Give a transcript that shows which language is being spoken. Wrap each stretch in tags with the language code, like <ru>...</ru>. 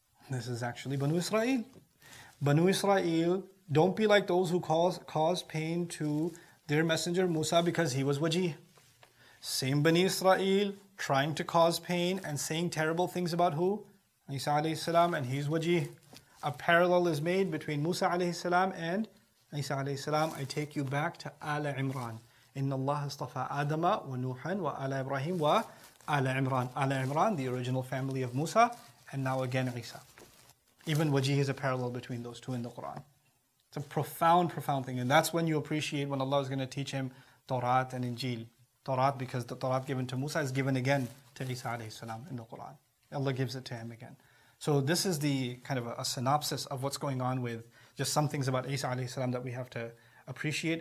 <en>This is actually Banu Israel. Banu Israel, don't be like those who cause pain to their messenger Musa because he was wajih. Same Bani Israel, trying to cause pain and saying terrible things about who? Isa alayhi salam, and he's wajih. A parallel is made between Musa alayhi salam and Isa alayhi salam. I take you back to Ala Imran.</en> <ar>إِنَّ اللَّهَ اصْطَفَى آدَمَ وَنُوحًا وَآلَ إِبْرَاهِيمَ وَآلَ عِمْرَانَ آلَ عِمْرَانَ,</ar> <en>the original family of Musa, and now again Isa. Even Wajih is a parallel between those two in the Qur'an. It's a profound, profound thing. And that's when you appreciate when Allah is going to teach him Torah and Injil. Torah, because the Torah given to Musa is given again to Isa alayhi salam in the Qur'an. Allah gives it to him again. So this is the kind of a synopsis of what's going on with just some things about Isa alayhi salam that we have to appreciate.</en>